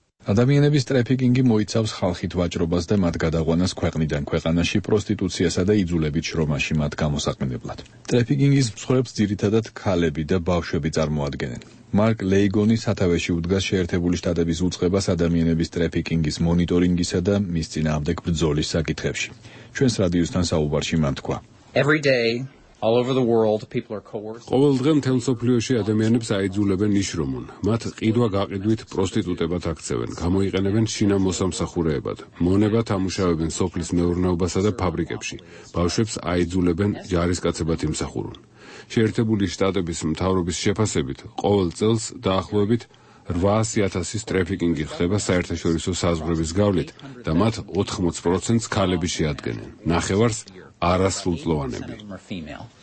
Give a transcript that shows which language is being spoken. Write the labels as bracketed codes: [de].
[ka] ადამიანების ტრაფიკინგი მოიცავს ხალხით ვაჭრობას და მათ გადაღვანას ქვეყნიდან ქვეყანაში პროსტიტუციასა და იძულებით შრომაში მათ გამოსაყენებლად. ტრაფიკინგის მსხვერპლს ძირითადად ქალები და ბავშვები წარმოადგენენ. მარკ ლეიგონი სათავეში უდგას შეერთებული შტატების უწყებას ადამიანების ტრაფიკინგის მონიტორინგისა და მის წინააღმდეგ ბრძოლის საკითხებში. ჩვენს რადიოსთან საუბარში მან თქვა: [en] Every day all over the world people are coerced. [ka] ყოველ დღე მთელ მსოფლიოში ადამიანებს აიძულებენ ნიშრომონ. მათ ყიდვა გაყიდვით პროსტიტუტებად აქცევენ, გამოიყენებენ შინამოსამსახურეებად. მონებად ამუშავებენ სოფლის მეურნეობასა და ფაბრიკებში. ბავშვებს აიძულებენ ჯარისკაცებად იმსახურონ. შეერთებული შტატების მთავრობის შეფასებით, ყოველ წელს დაახლოებით 800,000 ტრაფიკინგი ხდება საერთაშორისო საზღვრების გავლით და მათ 80%-ს ქალები შეადგენენ. ნახევარს არასრულწლოვანები.